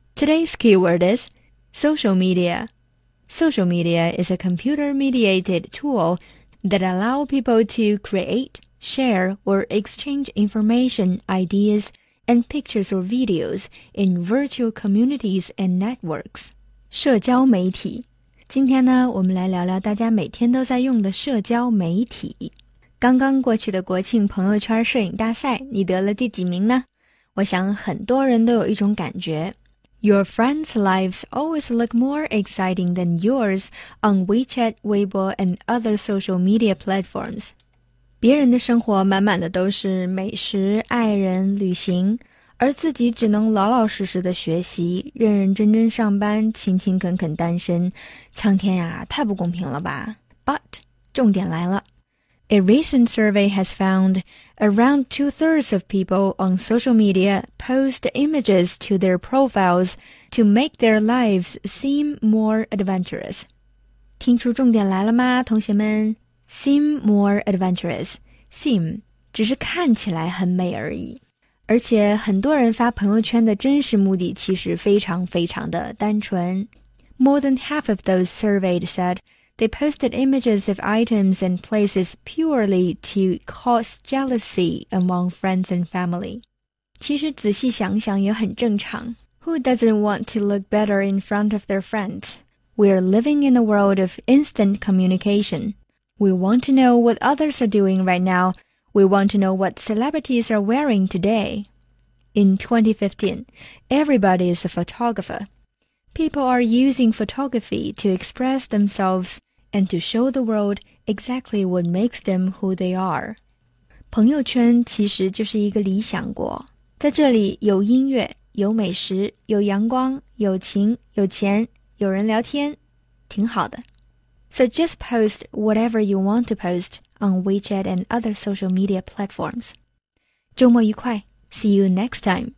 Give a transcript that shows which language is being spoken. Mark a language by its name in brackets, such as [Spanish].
[English] Today's keyword is social media. Social media is a computer-mediated tool that allow people to create, share, or exchange information, ideas, and pictures or videos in virtual communities and networks. [Chinese] 社交媒体。今天呢，我们来聊聊大家每天都在用的社交媒体。刚刚过去的国庆朋友圈摄影大赛，你得了第几名呢？我想很多人都有一种感觉。 [English] Your friends' lives always look more exciting than yours on WeChat, Weibo, and other social media platforms. [Chinese] 别人的生活满满的都是美食、爱人、旅行，而自己只能老老实实的学习，认认真真上班，勤勤恳恳单身。苍天呀，太不公平了吧。 [English] But, [Chinese] 重点来了。 [English] A recent survey has found around two-thirds of people on social media post images to their profiles to make their lives seem more adventurous. [Chinese] 听出重点来了吗，同学们 ？ [English] Seem more adventurous. [Chinese] Seem 只是看起来很美而已。而且很多人发朋友圈的真实目的其实非常非常的单纯。 [English] More than half of those surveyed said,They posted images of items and places purely to cause jealousy among friends and family. [Chinese] 其实仔细想想也很正常。 [English] Who doesn't want to look better in front of their friends? We are living in a world of instant communication. We want to know what others are doing right now. We want to know what celebrities are wearing today. In 2015, everybody is a photographer. People are using photography to express themselves. And to show the world exactly what makes them who they are. [Chinese] 朋友圈其实就是一个理想国，在这里有音乐，有美食，有阳光，有情，有钱，有人聊天，挺好的。 [English] So just post whatever you want to post on WeChat and other social media platforms. [Chinese] 周末愉快 [English] ，See you next time.